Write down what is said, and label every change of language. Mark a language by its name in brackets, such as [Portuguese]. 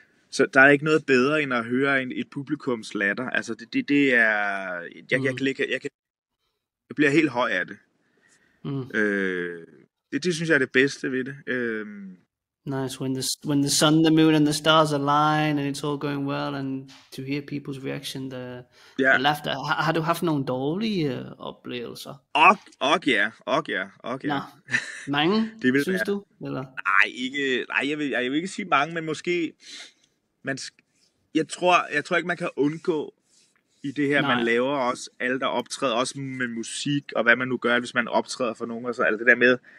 [Danish] Så der er ikke noget bedre end at høre et publikums latter. Altså det er, jeg bliver helt høj af det. Det synes jeg er det bedste ved det. [English] Nice, when the sun, the moon and the stars align and it's all going well, and to hear people's reaction, the laughter. [Danish] Har du haft nogle dårlige oplevelser? Og ja. Nå, mange, det vil, synes ja. Du? Eller? Nej, jeg vil ikke sige mange, men måske, jeg tror ikke, man kan undgå i det her, man laver også, alle der optræder, også med musik og hvad man nu gør, hvis man optræder for nogen, og så alt det der med.